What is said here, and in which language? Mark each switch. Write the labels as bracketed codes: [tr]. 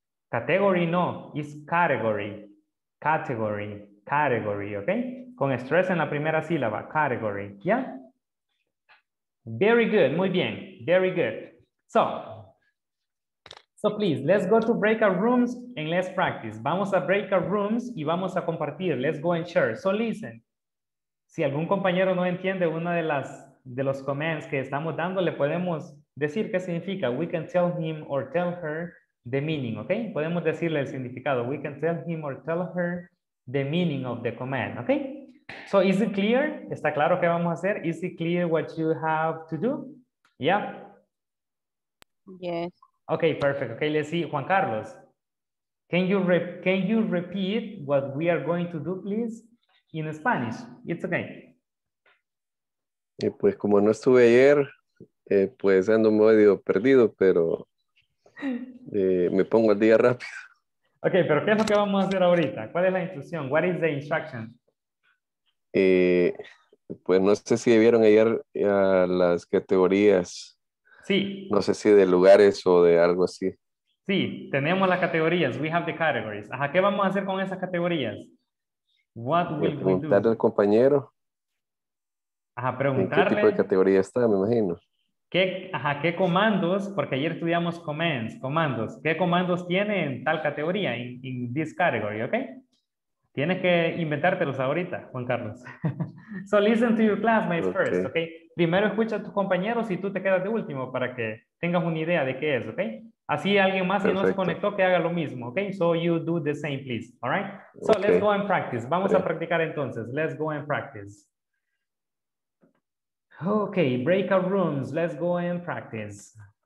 [en] Category no, it's category. Category, category, okay? [es] Con estrés en la primera sílaba, [en] category, yeah. Very good, [es] muy bien, [en] very good. So please, let's go to breakout rooms and let's practice. [es] Vamos a breakout rooms y vamos a compartir. [en] Let's go and share. So listen, [es] si algún compañero no entiende una de las, de los commands que estamos dando, le podemos decir qué significa. [en] We can tell him or tell her the meaning, okay? [es] Podemos decirle el significado. [en] We can tell him or tell her the meaning of the command, okay? So is it clear? [es] ¿Está claro qué vamos a hacer? [en] Is it clear what you have to do? Yeah. Yes. Okay, perfect. Okay, let's see. Juan Carlos, can you repeat what we are going to do, please, in Spanish? It's okay. [es] Pues como no estuve ayer, pues ando medio perdido, pero me pongo al día rápido. Okay, pero ¿qué es lo que vamos a hacer ahorita? ¿Cuál es la instrucción? [en] What is the instruction? [es] Pues no sé si vieron ayer a las categorías. Sí. No sé si de lugares o de algo así. Sí, tenemos las categorías. [en] We have the categories. [es] Ajá, ¿qué vamos a hacer con esas categorías? [en] What will we do? [es] Preguntarle al compañero. Ajá, preguntarle. ¿En qué tipo de categoría está, me imagino? ¿Qué comandos? Porque ayer estudiamos commands, comandos. ¿Qué comandos tiene en tal categoría, [en] in this category, [es] ok? Tienes que inventártelos ahorita, [en] Juan Carlos. So listen to your classmates okay. First, ok? [es] Primero escucha a tus compañeros y tú te quedas de último para que tengas una idea de qué es, ok? Así alguien más si no se conectó que haga lo mismo, ok? [en] So you do the same, please, all right? So okay. Let's go and practice. [es] Vamos okay. A practicar entonces. [en] Let's go and practice. Okay, breakout rooms, let's go and practice.